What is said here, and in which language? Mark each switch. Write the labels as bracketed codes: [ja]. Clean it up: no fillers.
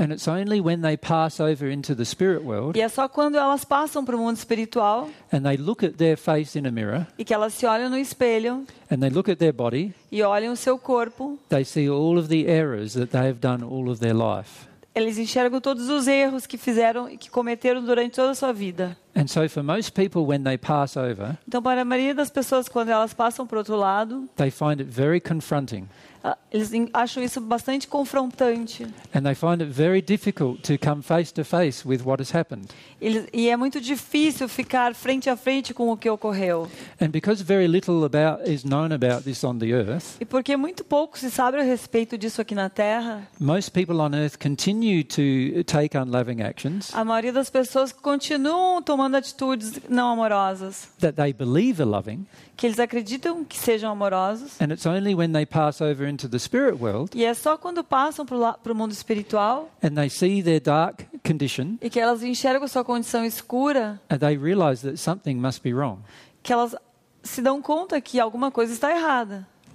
[en] And it's only when they pass over into the spirit world. [pt] E é só quando elas passam para o mundo espiritual. [en] And they look at their face in a mirror. [pt] E que elas se olham no espelho. [en] And they look at their body. [pt] E olham o seu corpo. [en] They see all of the errors that they've done all of their life. [pt] Eles enxergam todos os erros que fizeram e que cometeram durante toda a sua vida. [en] And so for most people, when they pass over, [pt] então, para a maioria das pessoas, quando elas passam para o outro lado, [en] they find it very confronting. [pt] Eles acham isso bastante confrontante. [en] And they find it very difficult to come face to face with what has happened. [pt] E é muito difícil ficar frente a frente com o que ocorreu. [en] And because very little about is known about this on the earth. [pt] E porque muito pouco se sabe a respeito disso aqui na Terra. [en] Most people on earth continue to take unloving actions. [pt] A maioria das pessoas continuam tomando atitudes não amorosas. [en] That they believe are loving. [pt] Que eles acreditam que sejam amorosos. [en] And it's only when they pass over into the spirit world. [pt] E é só quando passam pro mundo espiritual. [en] And they see their dark condition. [pt] E que elas enxergam sua condição escura. [en] And they realize that something must be wrong. [pt] Que elas se dão conta que alguma coisa está errada.